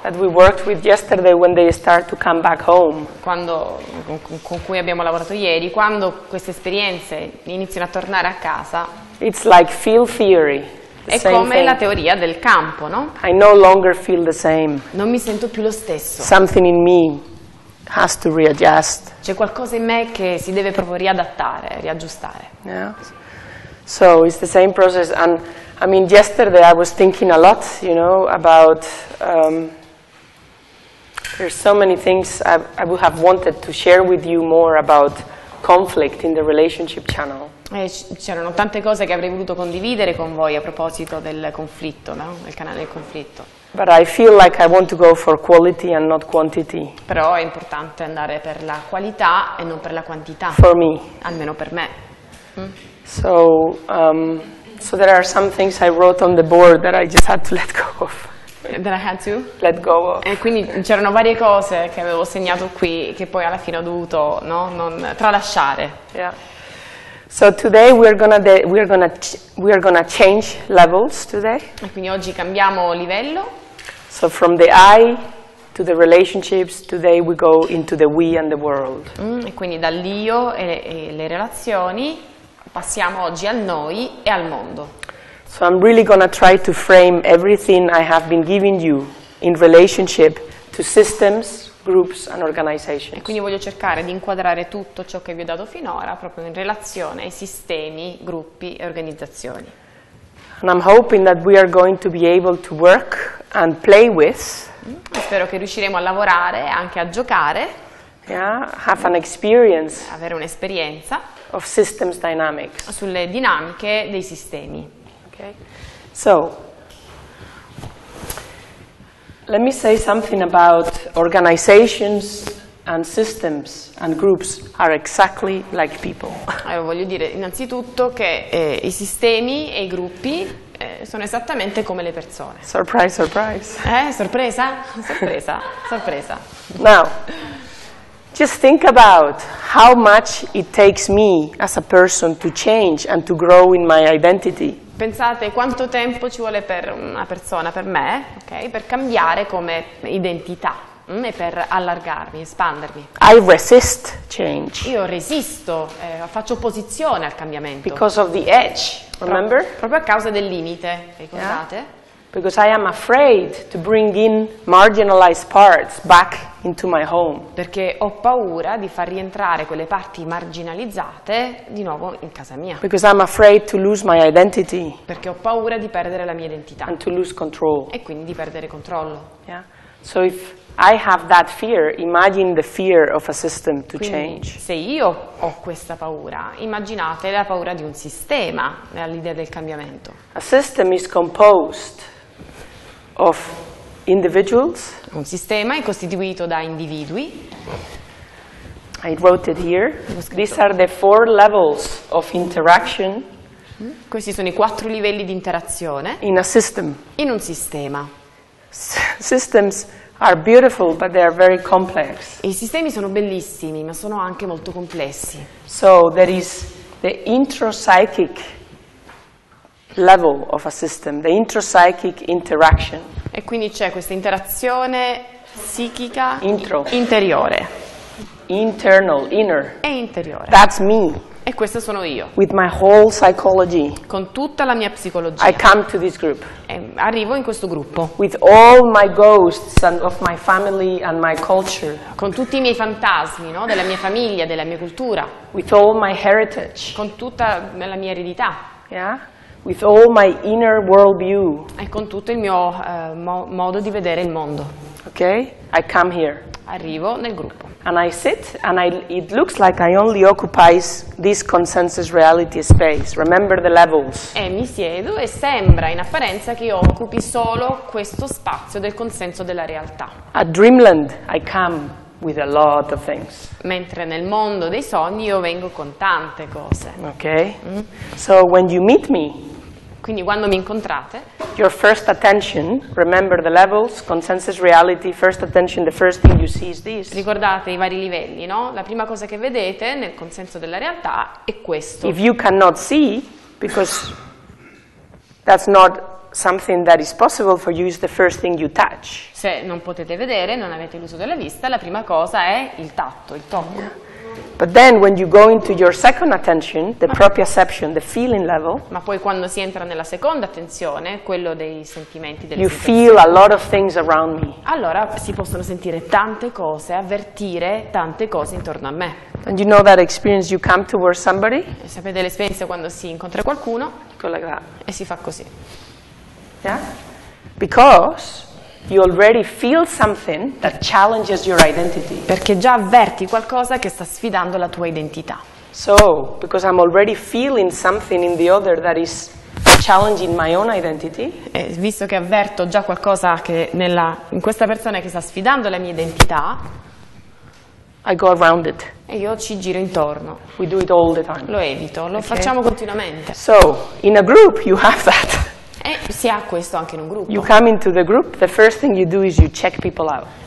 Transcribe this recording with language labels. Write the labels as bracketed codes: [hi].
[en] that we worked with yesterday when they start to come back home. [it] Quando, con cui abbiamo lavorato ieri, quando queste esperienze iniziano a tornare a casa, [en] it's like field theory. [it] È come la teoria del campo, no? [en] I no longer feel the same. [it] Non mi sento più lo stesso. [en] Something in me has to readjust. [it] C'è qualcosa in me che si deve proprio riadattare, riaggiustare. [en] Yeah. So it's the same process. And I mean, yesterday I was thinking a lot, you know, about there's so many things I would have wanted to share with you more about conflict in the relationship channel. [it] C'erano tante cose che avrei voluto condividere con voi a proposito del conflitto, no? Il canale del conflitto. [en] But I feel like I want to go for quality and not quantity. [it] Però è importante andare per la qualità e non per la quantità. [en] For me. [it] Almeno per me. [en] So there are some things I wrote on the board that I just had to let go of. That I had to? Let go of. [it] E quindi c'erano varie cose che avevo segnato qui che poi alla fine ho dovuto, no? Non tralasciare. [en] Yeah. So today we are gonna change levels today. [it] E quindi oggi cambiamo livello. [en] So from the I to the relationships, today we go into the we and the world. [it] E quindi dall'io e le relazioni passiamo oggi al noi e al mondo. [en] So I'm really gonna try to frame everything I have been giving you in relationship to systems, groups and organizations. [it] E quindi voglio cercare di inquadrare tutto ciò che vi ho dato finora proprio in relazione ai sistemi, gruppi e organizzazioni. [en] And I'm hoping that we are going to be able to work and play with. [it] Spero che riusciremo a lavorare anche a giocare. [en] Yeah, have an experience. [it] Avere un'esperienza [en] of systems dynamics. [it] Sulle dinamiche dei sistemi. [en] Okay. So let me say something about organizations and systems and groups are exactly like people. [it] Allora, voglio dire innanzitutto che i sistemi e i gruppi sono esattamente come le persone. [en] Surprise, surprise. [it] Sorpresa? Sorpresa, sorpresa. [en] Now, just think about how much it takes me as a person to change and to grow in my identity. [it] Pensate quanto tempo ci vuole per una persona, per me, ok, per cambiare come identità e per allargarmi, espandermi. [en] I resist change. [it] Io resisto, faccio opposizione al cambiamento. [en] Because of the edge, remember? [it] Proprio a causa del limite, ricordate? Yeah. [en] Because I am afraid to bring in marginalized parts back into my home. [it] Perché ho paura di far rientrare quelle parti marginalizzate di nuovo in casa mia. [en] Because I'm afraid to lose my identity. [it] Perché ho paura di perdere la mia identità. [en] And to lose control. [it] E quindi di perdere controllo. [en] Yeah. So if I have that fear, imagine the fear of a system to [it] quindi, [en] change. [it] Se io ho questa paura, immaginate la paura di un sistema all'idea del cambiamento. [en] A system is composed of individuals. [it] Un sistema è costituito da individui. [en] I wrote it here. These are the four levels of interaction. [it] Questi sono i quattro livelli di interazione. [en] In a system. [it] In un sistema. [en] Systems are beautiful, but they are very complex. [it] I sistemi sono bellissimi, ma sono anche molto complessi. [en] So there is the intrapsychic level of a system, the intrapsychic interaction. [it] E quindi c'è questa interazione psichica [en] intro. [it] Interiore. [en] Internal, inner. [it] E interiore. [en] That's me. [it] E questa sono io. [en] With my whole psychology. [it] Con tutta la mia psicologia. [en] I come to this group. [it] E arrivo in questo gruppo. [en] With all my ghosts and of my family and my culture. [it] Con tutti i miei fantasmi, no? Della mia famiglia, della mia cultura. [en] With all my heritage. [it] Con tutta la mia eredità. [en] Yeah? With all my inner world view. [it] E con tutto il mio modo di vedere il mondo. [en] Okay? I come here. [it] Arrivo nel gruppo. [en] And I sit and it looks like I only occupy this consensus reality space. Remember the levels. [it] E mi siedo e sembra in apparenza che io occupi solo questo spazio del consenso della realtà. [en] A dreamland I come with a lot of things. [it] Mentre nel mondo dei sogni io vengo con tante cose. [en] Okay. Mm-hmm. So when you meet me. [it] Quindi quando mi incontrate. [en] Your first attention, remember the levels, consensus reality, first attention, the first thing you see is this. [it] Ricordate i vari livelli, no? La prima cosa che vedete nel consenso della realtà è questo. [en] If you cannot see, because that's not something that is possible for you is the first thing you touch. [it] Se non potete vedere, non avete l'uso della vista, la prima cosa è il tatto, il tocco. [en] Yeah. But then when you go into your second attention, the proprioception, the feeling level, [it] ma poi quando si entra nella seconda attenzione, quello dei sentimenti, delle [en] you feel a lot of things around me. [it] Allora si possono sentire tante cose, avvertire tante cose intorno a me. [en] And you know that experience you come towards somebody? [it] E sapete l'esperienza quando si incontra qualcuno? Collega. E si fa così. [en] Yeah? Because you already feel something that challenges your identity. [it] Perché già avverti qualcosa che sta sfidando la tua identità. [en] So, because I'm already feeling something in the other that is challenging my own identity. [it] E visto che avverto già qualcosa che nella in questa persona che sta sfidando la mia identità, [en] I go around it. [it] E io ci giro intorno. [en] We do it all the time. [it] Lo evito, lo okay. Facciamo continuamente. [en] So, in a group you have that. [it] E si ha questo anche in un gruppo. [en] You come into the group, the first thing you do is you check people out.